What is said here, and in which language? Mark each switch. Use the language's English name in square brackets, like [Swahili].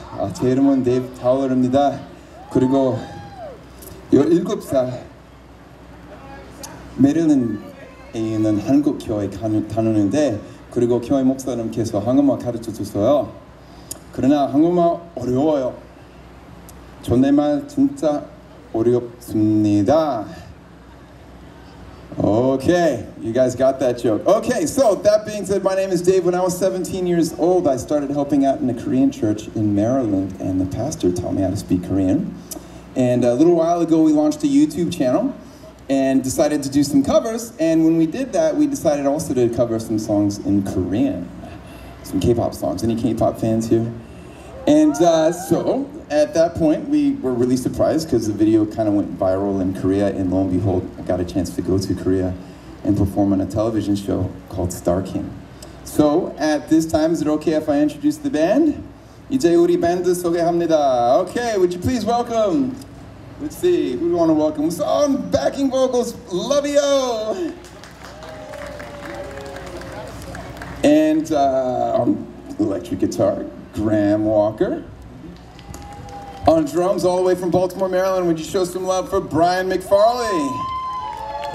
[Korean] 아, 제 이름은 데이브 타월입니다. 그리고 17살 메릴랜드에 있는 한국 교회 다니는데 그리고 교회 목사님 께서 한국말 가르쳐 주셨어요. 그러나 한국말 어려워요. 존댓말 진짜 어렵습니다. [English] Okay, you guys got that joke. Okay, so that being said, my name is Dave. When I was 17 years old, I started helping out in a Korean church in Maryland, and the pastor taught me how to speak Korean. And a little while ago, we launched a YouTube channel and decided to do some covers. And when we did that, we decided also to cover some songs in Korean, some K-pop songs. Any K-pop fans here? And so at that point, we were really surprised because the video kind of went viral in Korea. And lo and behold, I got a chance to go to Korea and perform on a television show called Star King. So at this time, is it okay if I introduce the band? [Korean] 이제 우리 밴드 소개합니다. [English] Okay, would you please welcome? Let's see, who do we want to welcome? On backing vocals, Lovio! And electric guitar, Graham Walker. On drums, all the way from Baltimore, Maryland, would you show some love for Brian McFarley?